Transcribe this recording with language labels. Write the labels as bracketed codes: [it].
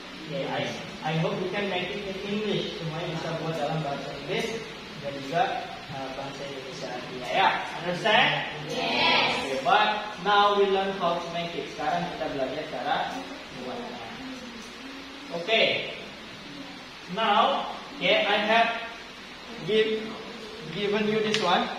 [en] Okay, I hope you can make it in English. [id] Semuanya bisa buat dalam bahasa Inggris dan juga bahasa Indonesia. [en] Ya, ya. Understand? Yes. Okay, but now we learn how to make it. [id] Sekarang kita belajar cara buatnya. [en] Okay. Now, okay, I have given you this one.